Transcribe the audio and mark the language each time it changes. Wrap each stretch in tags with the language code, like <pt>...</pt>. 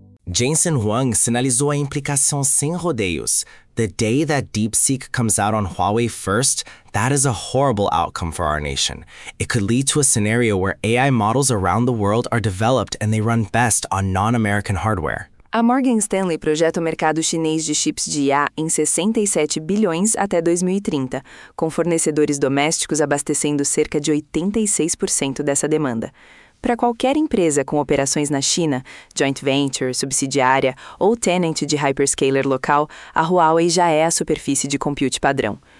<pt>Jensen Huang sinalizou a implicação sem rodeios.</pt> <en>The day that DeepSeek comes out on Huawei first, that is a horrible outcome for our nation. It could lead to a scenario where AI models around the world are developed and they run best on non-American hardware.</en> <pt>A Morgan Stanley projeta o mercado chinês de chips de IA em 67 bilhões até 2030, com fornecedores domésticos abastecendo cerca de 86% dessa demanda. Para qualquer empresa com operações na China, joint venture, subsidiária ou tenant de hyperscaler local, a Huawei já é a superfície de compute padrão.</pt>